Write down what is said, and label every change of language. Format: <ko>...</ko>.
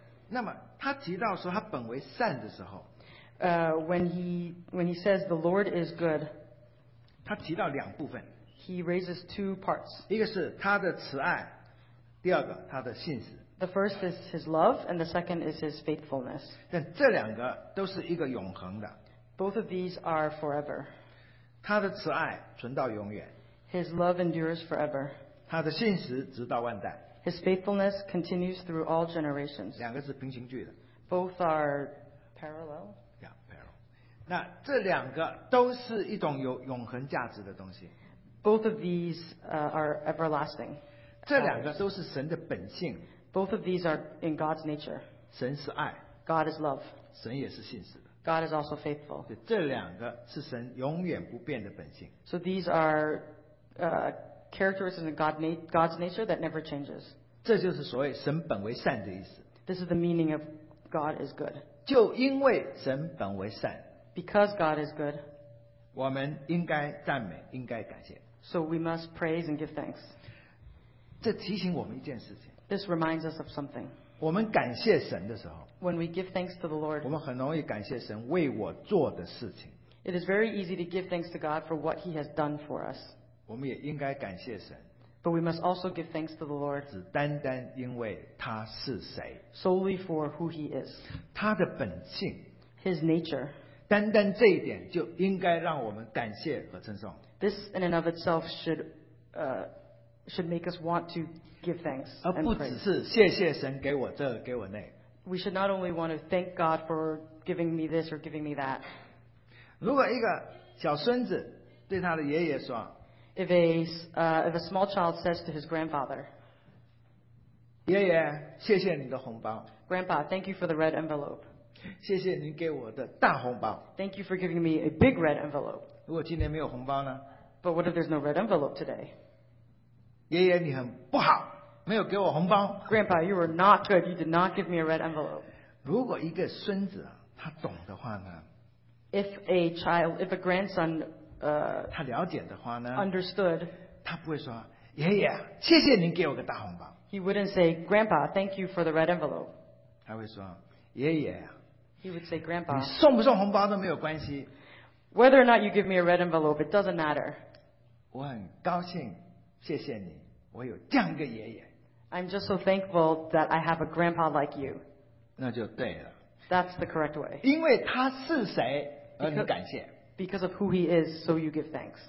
<zh>那么他提到说他本为善的时候，</zh> <en>when he says the Lord is good,</en> <zh>他提到两部分。</zh> <en>He raises two parts.</en> <zh>一个是他的慈爱，第二个他的信实。</zh> <en>The first is his love, and the second is his faithfulness.</en> <zh>但这两个都是一个永恒的。</zh> <en>Both of these are forever.</en> <zh>他的慈爱存到永远。</zh> <en>His love endures forever.</en> <zh>他的信实直到万代。</zh> <en>His faithfulness continues through all generations.</en> <zh>两个是平行句的。</zh> <en>Both are parallel. Yeah, parallel.</en> <zh>那这两个都是一种有永恒价值的东西。</zh> <en>Both of these are everlasting.</en> <zh>这两个都是神的本性。</zh> <en>Both of these are in God's nature.</en> <zh>神是爱。</zh> <en>God is love.</en> <zh>神也是信实的。</zh> <en>God is also faithful.</en> <zh>这两个是神永远不变的本性。</zh> <en>So these are characteristics in God's nature that never changes.</en> <zh>这就是所谓神本为善的意思。</zh> <en>This is the meaning of God is good.</en> <zh>就因为神本为善。</zh> <en>Because God is good.</en> <zh>我们应该赞美，应该感谢。</zh> <en>So we must praise and give thanks.</en> <zh>这提醒我们一件事情。</zh> <en>This reminds us of something.</en> <zh>我们感谢神的时候。</zh> <en>When we give thanks to the Lord.</en> <zh>我们很容易感谢神为我做的事情。</zh> <en>It is very easy to give thanks to God for what He has done for us.</en> <zh>我们也应该感谢神。</zh> <en>But we must also give thanks to the Lord.</en> <zh>只单单因为他是谁。</zh> <en>Solely for who he is.</en> <zh>他的本性。</zh> <en>His nature.</en> <zh>单单这一点就应该让我们感谢和称颂。</zh> <en>This in and of itself should make us want to give thanks.</en> <zh>而不只是谢谢神给我这给我那。</zh> <en>We should not only want to thank God for giving me this or giving me that.</en> <zh>如果一个小孙子对他的爷爷说，</zh> <en>If a small child says to his grandfather,</en> <zh>爷爷，谢谢你的红包。</zh> <en>Grandpa, thank you for the red envelope.</en> <zh>谢谢你给我的大红包。</zh> <en>Thank you for giving me a big red envelope.</en> <zh>如果今天没有红包呢？</zh> <en>But what if there's no red envelope today?</en> <zh>爷爷，你很不好，没有给我红包。</zh> <en>Grandpa, you were not good. You did not give me a red envelope.</en> <zh>如果一个孙子他懂的话呢？</zh> <en>If a grandson</en> <zh>他了解的话呢</zh> <en>，understood，</en> <zh>他不会说爷爷，谢谢您给我个大红包。</zh> <en>He wouldn't say, Grandpa, thank you for the red envelope.</en> <zh>他会说爷爷。</zh> <en>He would say, Grandpa，</en> <zh>你送不送红包都没有关系。</zh> <en>Whether or not you give me a red envelope, it doesn't matter.</en> <zh>我很高兴，谢谢你，我有这样一个爷爷。</zh> <en>I'm just so thankful that I have a grandpa like you.</en> <zh>那就对了。</zh> <en>That's the correct way.</en> <zh>因为他是谁而你感谢。</zh> <en>Because of who he is, so you give thanks.</en>